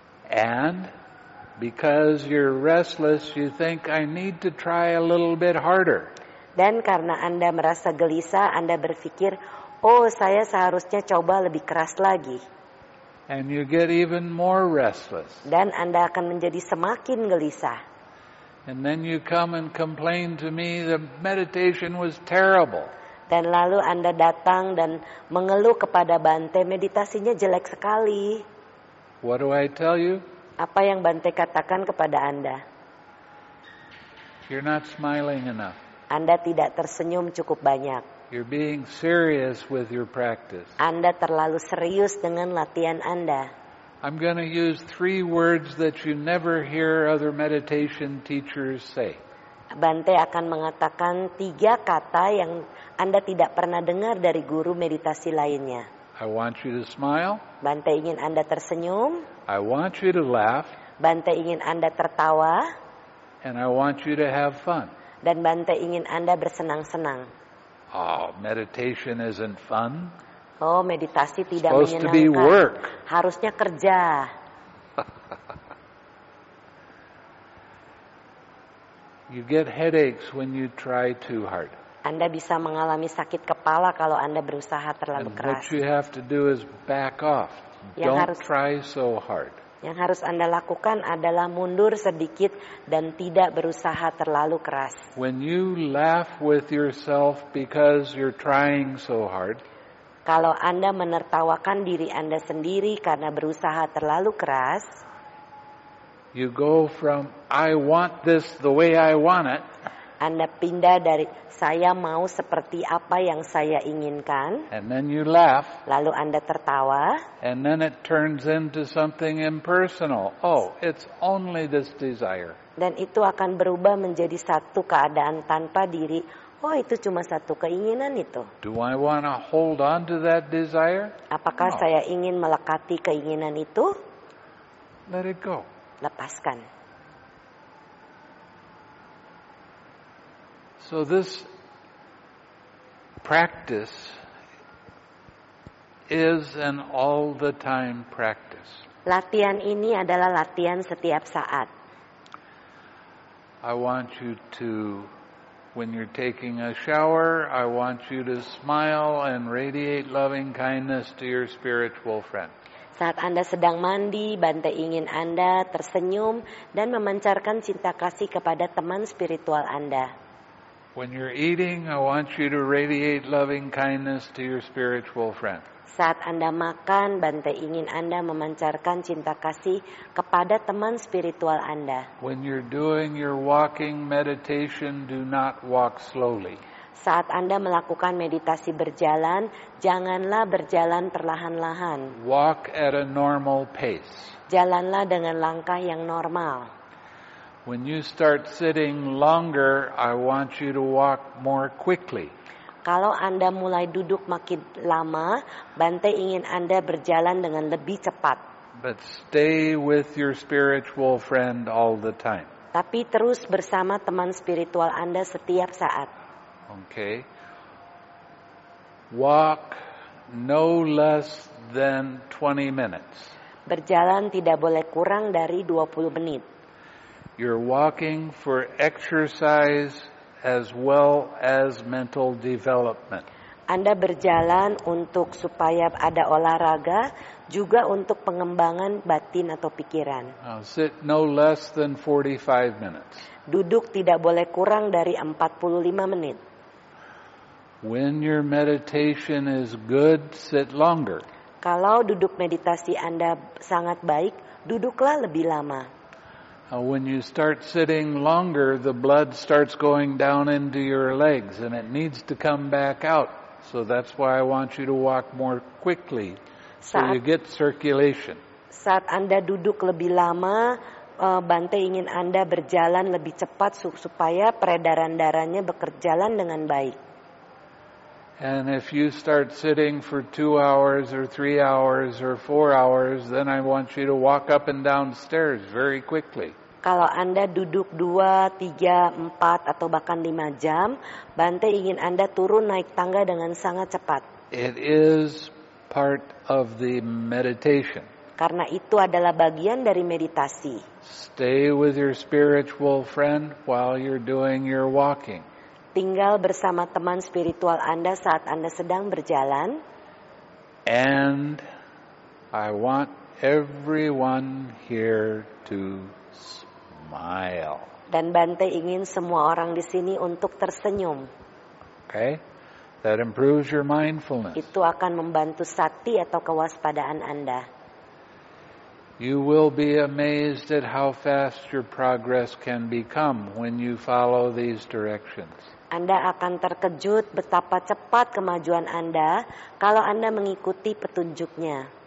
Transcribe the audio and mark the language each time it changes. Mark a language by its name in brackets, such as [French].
[English] And because you're restless, you think I need to try a little bit harder. [Indonesian] Dan karena Anda merasa gelisah, Anda berpikir, "Oh, saya seharusnya coba lebih keras lagi." [English] And you get even more restless. [Indonesian] Dan Anda akan menjadi semakin gelisah. [English] And then you come and complain to me the meditation was terrible. [Indonesian] Dan lalu Anda datang dan mengeluh kepada Bante, meditasinya jelek sekali. [English] What do I tell you? [Indonesian] Apa yang Bante katakan kepada Anda? [English] You're not smiling enough. [Indonesian] Anda tidak tersenyum cukup banyak. [English] You're being serious with your practice. [Indonesian] Anda terlalu serius dengan latihan Anda. [English] I'm going to use three words that you never hear other meditation teachers say. [Indonesian] Bante akan mengatakan tiga kata yang Anda tidak pernah dengar dari guru meditasi lainnya. [English] I want you to smile. [Indonesian] Bante ingin Anda tersenyum. [English] I want you to laugh. [Indonesian] Bante ingin Anda tertawa. [English] And I want you to have fun. [Indonesian] Dan Bante ingin Anda bersenang-senang. [English] Oh, meditation isn't fun. [Indonesian] Oh, meditasi tidak [English] supposed [Indonesian] menyenangkan. [English] To be work. [Indonesian] Harusnya kerja. [English] You get headaches when you try too hard. [Indonesian] Anda bisa mengalami sakit kepala kalau Anda berusaha terlalu keras. [English] And what you have to do is back off. Don't try so hard. [Indonesian] Yang harus Anda lakukan adalah mundur sedikit dan tidak berusaha terlalu keras. [English] When you laugh with yourself because you're trying so hard. [Indonesian] Kalau Anda menertawakan diri Anda sendiri karena berusaha terlalu keras. [English] You go from I want this the way I want it. [Indonesian] Anda pindah dari saya mau seperti apa yang saya inginkan. [English] And then you laugh. [Indonesian] Lalu Anda tertawa. [English] And then it turns into something impersonal. Oh, it's only this desire. [Indonesian] Dan itu akan berubah menjadi satu keadaan tanpa diri. Oh, itu cuma satu keinginan itu. [English] Do I want to hold on to that desire? [Indonesian] Apakah saya ingin melekati keinginan itu? [English] Let it go. [Indonesian] Lepaskan. [English] So this practice is an all the time practice. [Indonesian] Latihan ini adalah latihan setiap saat. [English] I want you to, when you're taking a shower, I want you to smile and radiate loving kindness to your spiritual friend. [Indonesian] Saat Anda sedang mandi, bante ingin Anda tersenyum dan memancarkan cinta kasih kepada teman spiritual Anda. [English] When you're eating, I want you to radiate loving kindness to your spiritual friend. [Indonesian] Saat Anda makan, bante ingin Anda memancarkan cinta kasih kepada teman spiritual Anda. [English] When you're doing your walking meditation, do not walk slowly. [Indonesian] Saat Anda melakukan meditasi berjalan, janganlah berjalan perlahan-lahan. [English] Walk at a normal pace. [Indonesian] Jalanlah dengan langkah yang normal. [English] When you start sitting longer, I want you to walk more quickly. [Indonesian] Kalau Anda mulai duduk makin lama, bante ingin Anda berjalan dengan lebih cepat. [English] But stay with your spiritual friend all the time. [Indonesian] Tapi terus bersama teman spiritual Anda setiap saat. [English] Okay. Walk no less than 20 minutes. [Indonesian] Berjalan tidak boleh kurang dari 20 menit. [English] You're walking for exercise as well as mental development. [Indonesian] Anda berjalan untuk supaya ada olahraga, juga untuk pengembangan batin atau pikiran. [English] Sit no less than 45 minutes. [Indonesian] Duduk tidak boleh kurang dari 45 menit. [English] When your meditation is good, sit longer. [Indonesian] Kalau duduk meditasi Anda sangat baik, duduklah lebih lama. [English] When you start sitting longer, the blood starts going down into your legs and it needs to come back out. So that's why I want you to walk more quickly so you get circulation. [Indonesian] Saat Anda duduk lebih lama, bante ingin Anda berjalan lebih cepat supaya peredaran darahnya berjalan dengan baik. [English] And if you start sitting for 2 hours or 3 hours or 4 hours, then I want you to walk up and down stairs very quickly. [Indonesian] Kalau Anda duduk 2, 3, 4 atau bahkan 5 jam, bante ingin Anda turun naik tangga dengan sangat cepat. [English] It is part of the meditation. [Indonesian] Karena itu adalah bagian dari meditasi. [English] Stay with your spiritual friend while you're doing your walking. [Indonesian] Tinggal bersama teman spiritual Anda saat Anda sedang berjalan. [English] And I want everyone here to smile. [Indonesian] Dan bante ingin semua orang di sini untuk tersenyum. [English] Okay. That improves your mindfulness. [Indonesian] Itu akan membantu sati atau kewaspadaan Anda. [English] You will be amazed at how fast your progress can become when you follow these directions. [Indonesian] Anda akan terkejut betapa cepat kemajuan Anda kalau Anda mengikuti petunjuknya.